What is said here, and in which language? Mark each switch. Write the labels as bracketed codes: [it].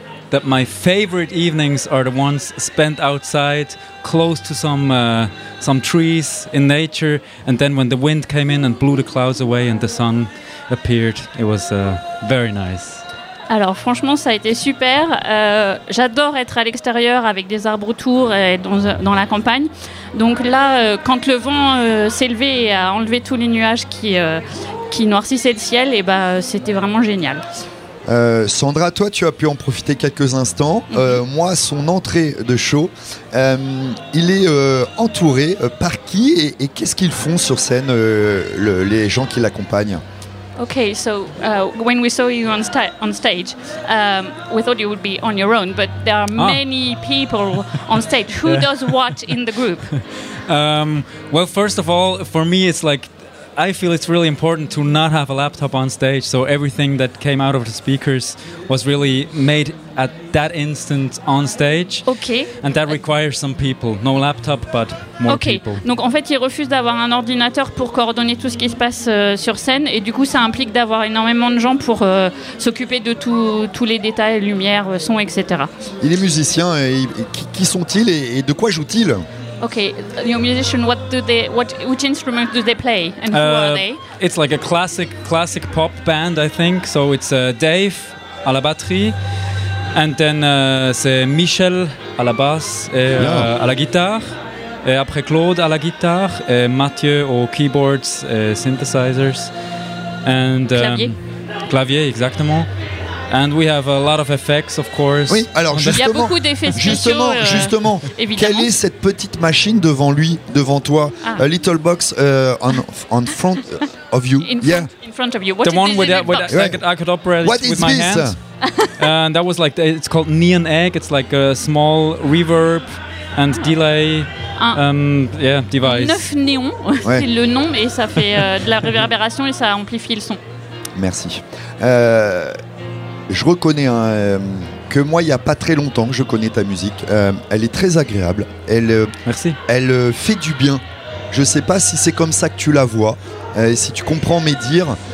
[en] That my favorite evenings are the ones spent outside, close to some trees in nature, and then when the wind came in and blew the clouds away and the sun appeared, it was very nice. [fr] Alors franchement, ça a été super. J'adore être à l'extérieur avec des arbres autour et dans la campagne. Donc là, quand le vent s'est levé et a enlevé tous les nuages qui noircissaient le ciel, et bah, c'était vraiment génial. Sandra, toi, tu as pu en profiter quelques instants. Mm-hmm. Moi, son entrée de show, il est entouré par qui et qu'est-ce qu'ils font sur scène, les gens qui l'accompagnent? [en] Okay, so when we saw you on stage, we thought you would be on your own, but there are many people on stage. Who does what in the group? Well, first of all, for me, it's like, I feel it's really important to not have a laptop on stage, so everything that came out of the speakers was really made at that instant on stage. Okay. And that requires some people. No laptop, but more people. [fr] Donc en fait, ils refusent d'avoir un ordinateur pour coordonner tout ce qui se passe sur scène, et du coup, ça implique d'avoir énormément de gens pour s'occuper de tous les détails, lumière, son, etc. Il est musicien, et qui sont-ils et de quoi jouent-ils? [en] Okay, your musician. Which instrument do they play, and who are they? It's like a classic pop band, I think. So it's [fr] Dave à la batterie, [en] and then [fr] c'est Michel à la basse et à la guitare, et après Claude à la guitare, et Mathieu aux [en] keyboards, synthesizers, and [fr] clavier, exactement. [en] And we have a lot of effects, of course. [fr] Oui, alors justement, il y a beaucoup d'effets spéciaux. Justement, évidemment. Quelle est cette petite machine devant lui, devant toi? [en] A little box on front of you. In front of you. What the one is with box? Right. I could operate what it with my hands. What is this? And that was like, it's called Neon Egg. It's like a small reverb and delay device. [fr] Neuf néons, ouais. C'est le nom, et ça fait de la réverbération et ça amplifie le son. Merci. Je reconnais que moi, il n'y a pas très longtemps que je connais ta musique. Elle est très agréable. Merci. Elle fait du bien. Je ne sais pas si c'est comme ça que tu la vois, si tu comprends mes dires,